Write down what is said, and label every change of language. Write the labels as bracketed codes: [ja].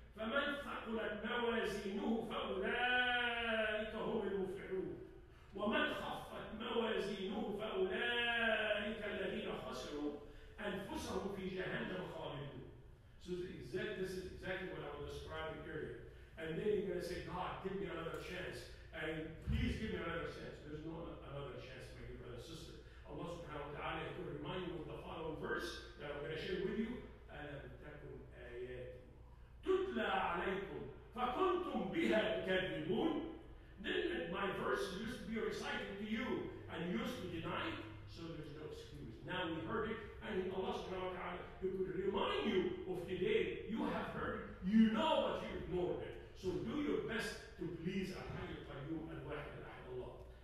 [ar] فَمَنْ ثَقُلَتْ مَوَازِينُهُ فَأُولَٰئِكَ هُمُ الْمُفْلِحُونَ وَمَنْ خَفَّتْ مَوَازِينُهُ فَأُولَٰئِكَ الَّذِينَ خَسِرُوا أَنفُسَهُمْ فِي جَهَنَّمَ خَالِدُونَ. [en] So this is exactly what I will describe in here. And then you're going to say, God, give me another chance. And please give me another chance. There's no another chance, my dear brother and sister. Allah subhanahu wa ta'ala will remind you of the following verse that I'm going to share with you. [ar] أَلَمْ تَكُنْ آيَاتِ تتلى عليكم فكنتم بها تكذبون. [en] Didn't my verse used to be recited to you and used to deny it? So there's no excuse. Now we heard it, and Allah subhanahu wa ta'ala, he could remind you of the day you have heard it. You know, but you ignored it. So do your best to please Al-Hayyul Qayyum Al-Wahid Al-Ahad Allah.